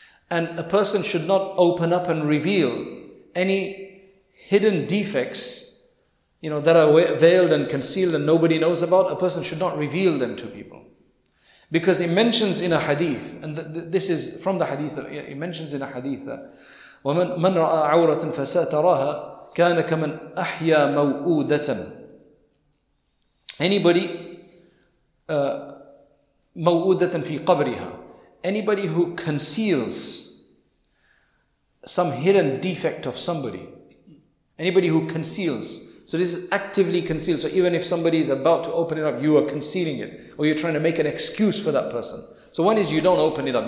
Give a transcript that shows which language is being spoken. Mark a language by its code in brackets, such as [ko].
[en] And a person should not open up and reveal any hidden defects, you know, that are veiled and concealed and nobody knows about. A person should not reveal them to people. Because it mentions in a hadith, and this is from the hadith, it mentions in a hadith that [ar] وَمَنْ رَأَى عَوْرَةً فَسَتَرَاهَا كَانَ كَمَنْ أَحْيَى مَوْؤُودَةً. [en] Anybody, [ar] مَوْؤُودَةً فِي قَبْرِهَا. [en] Anybody who conceals some hidden defect of somebody. Anybody who conceals. So this is actively concealed. So even if somebody is about to open it up, you are concealing it. Or you're trying to make an excuse for that person. So one is you don't open it up.